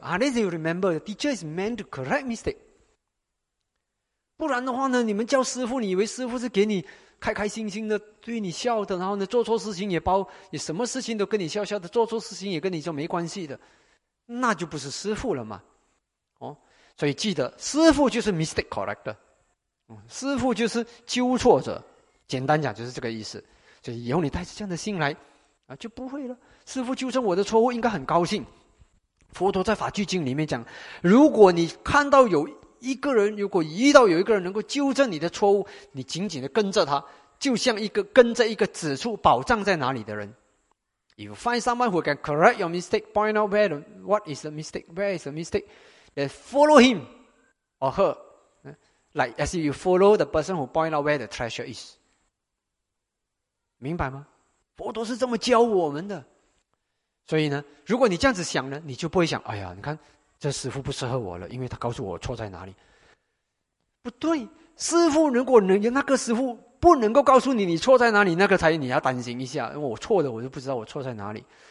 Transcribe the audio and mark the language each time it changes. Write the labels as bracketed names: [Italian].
[English] Unless you remember, the teacher is meant to correct mistake. [Chinese] 不然的话呢？你们叫师傅，你以为师傅是给你开开心心的对你笑的，然后呢，做错事情也包，你什么事情都跟你笑笑的，做错事情也跟你说没关系的，那就不是师傅了嘛。所以记得，师父就是 [English] mistake corrector， [Chinese] 师父就是纠错者，简单讲就是这个意思。所以以后你带着这样的心来，啊，就不会了。师父纠正我的错误，应该很高兴。佛陀在《法句经》里面讲，如果你看到有一个人，如果遇到有一个人能够纠正你的错误，你紧紧的跟着他，就像一个跟着一个指出宝藏在哪里的人。 [English] You find someone who can correct your mistake, point out where what is the mistake, where is the mistake。 Follow him or her, like as you follow the person who point out where the treasure is. [Chinese] 明白吗？佛陀是这么教我们的。所以呢，如果你这样子想呢，你就不会想，哎呀，你看这师父不适合我了，因为他告诉我错在哪里。不对，师父如果能，那个师父不能够告诉你你错在哪里，那个才你要担心一下，我错的我都不知道我错在哪里。